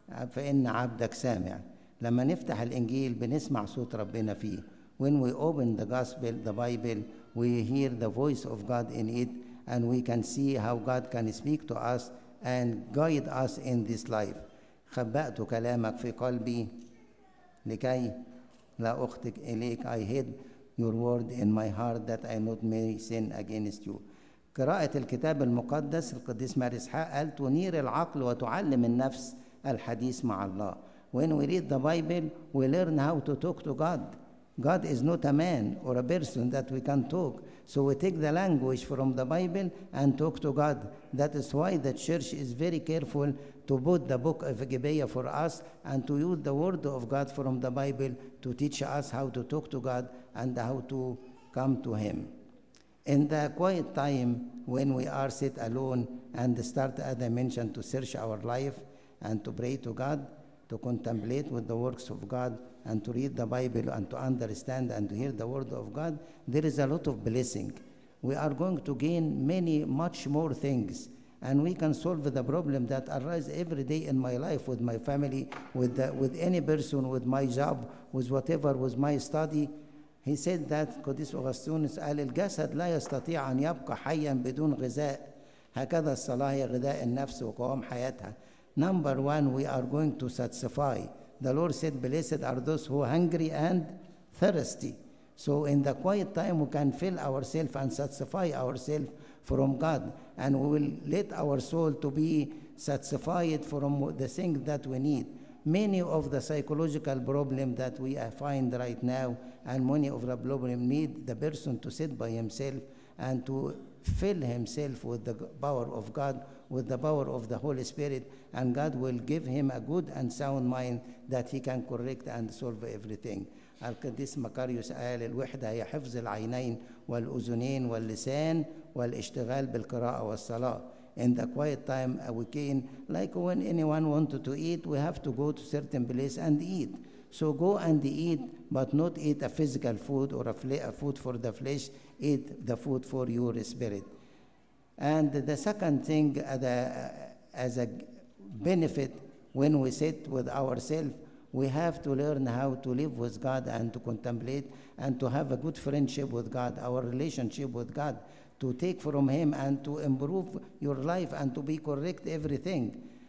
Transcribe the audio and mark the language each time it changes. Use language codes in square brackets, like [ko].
[ar] فإن عبدك سامع. لما نفتح الإنجيل بنسمع صوت ربنا فيه. [en] When we open the gospel, the Bible, we hear the voice of God in it, and we can see how God can speak to us and guide us in this life. [ar] خبأت كلامك في قلبي لكي لا أخطئ إليك. [en] I hid your word in my heart that I not may sin against you. [ar] قراءة الكتاب المقدس القديس مارس حق قال تنير العقل وتعلم النفس الحديث مع الله. [en] When we read the Bible, we learn how to talk to God. God is not a man or a person that we can talk. So we take the language from the Bible and talk to God. That is why the church is very careful to put the book of Gibeah for us and to use the word of God from the Bible to teach us how to talk to God and how to come to Him. In the quiet time when we are sit alone and start, as I mentioned, to search our life and to pray to God, to contemplate with the works of God, and to read the Bible and to understand and to hear the word of God, there is a lot of blessing. We are going to gain many, much more things, and we can solve the problem that arise every day in my life with my family, with any person, with my job, with whatever, with my study. He said that [ar] قديس أغسطينوس قال الجسد لا يستطيع أن يبقى حيا بدون غذاء. هكذا الصلاة هي غذاء النفس وقوام حياتها. [en] Number one, we are going to satisfy. The Lord said, blessed are those who are hungry and thirsty. So in the quiet time, we can fill ourselves and satisfy ourselves from God. And we will let our soul to be satisfied from the things that we need. Many of the psychological problems that we find right now, and many of the problems need the person to sit by himself and to fill himself with the power of God, with the power of the Holy Spirit, and God will give him a good and sound mind that he can correct and solve everything. [ar] القديس مكاريوس قال الوحدة هي حفظ العينين والأذنين واللسان والاشتغال بالقراءة والصلاة. [en] In the quiet time, we can, like when anyone wanted to eat, we have to go to certain place and eat. So go and eat, but not eat a physical food or a food for the flesh. Eat the food for your spirit. And the second thing as a benefit, when we sit with ourselves, we have to learn how to live with God and to contemplate and to have a good friendship with God, our relationship with God, to take from Him and to improve your life and to be correct everything.